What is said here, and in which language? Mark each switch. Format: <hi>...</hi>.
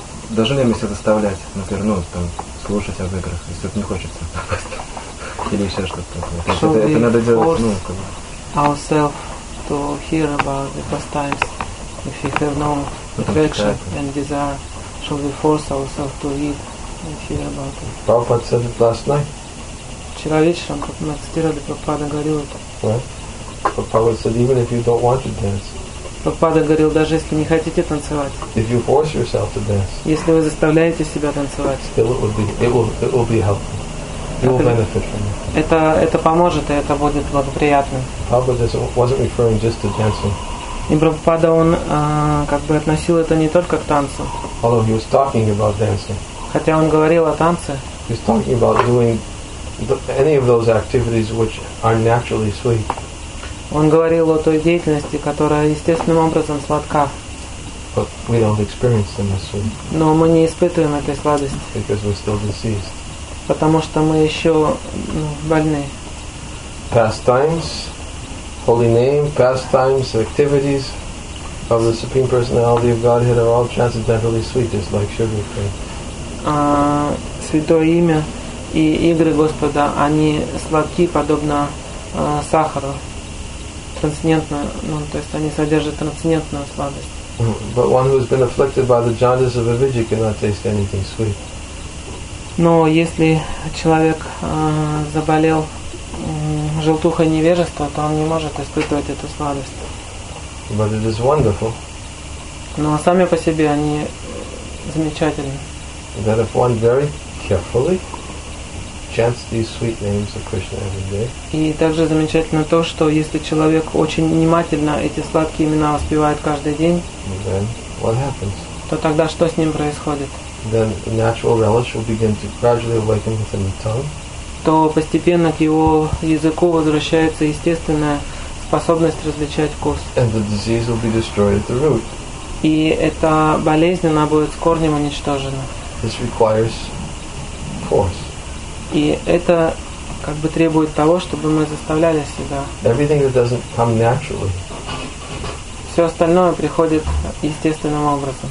<ru>Должны ли мы себя заставлять, например, ну, там, слушать об играх, если это не хочется, или еще что-то такое. То есть это надо делать, ну, как бы.</ru> <en>Ourselves to hear about the pastimes, if we have no affection and desire, should we force ourselves to read and hear about it? Prabhupada said it last night.</en> <ru>Вчера вечером, как мы цитировали, Прабхупада говорил это.</ru> <en>Right. Prabhupada said, even if you don't want to dance.</en> <ru>Прабхупада говорил, даже если не хотите танцевать,</ru> <en>if you force yourself to dance,</en> <ru>если вы заставляете себя танцевать,</ru> <en>still it will be helpful. It will benefit from it.</en> <ru>Это поможет, и это будет благоприятно.</ru> <en>Prabhupada wasn't referring just to dancing.</en> <ru>И Прабхупада, он как бы относил это не только к танцу.</ru> <en>Although he was talking about dancing.</en> <ru>Хотя он говорил о танце.</ru> <en>He was talking about doing any of those activities which are naturally sweet.</en> <ru>Он говорил о той деятельности, которая естественным образом сладка.</ru> <en>But we don't experience them as sweet.</en> <ru>Но мы не испытываем этой сладости.</ru> <en>Because we're still diseased.</en> <ru>Потому что мы еще больны.</ru> <en>Pastimes, holy name, pastimes, activities of the Supreme Personality of Godhead are all transcendentally sweet, just like sugar cream.</en> <ru>Святое имя и игры Господа, они сладки, подобно сахару. Ну, то есть они содержат трансцендентную сладость.</ru> <en>But one who has been afflicted by the jhanas of avidya cannot taste anything sweet.</en> <ru>Но если человек заболел желтухой невежества, то он не может испытывать эту сладость.</ru> <en>But it is wonderful.</en> <ru>Но сами по себе они замечательны.</ru> <en>That if one very carefully chants these sweet names of Krishna every day.</en> <ru>И также замечательно то, что если человек очень внимательно эти сладкие имена воспевает каждый день,</ru> <en>then what happens?</en> <ru>То тогда что с ним происходит?</ru> <en>Then the natural relish will begin to gradually awaken within the tongue.</en> <ru>то постепенно к его языку возвращается естественная способность различать вкус.</ru> <en>And the disease will be destroyed at the root.</en> <ru>И эта болезнь, она будет с корнем уничтожена.</ru> <en>This requires force.</en> <ru>И это как бы требует того, чтобы мы заставляли себя.</ru> <en>Everything that doesn't come naturally.</en> <ru>Все остальное приходит естественным образом.</ru>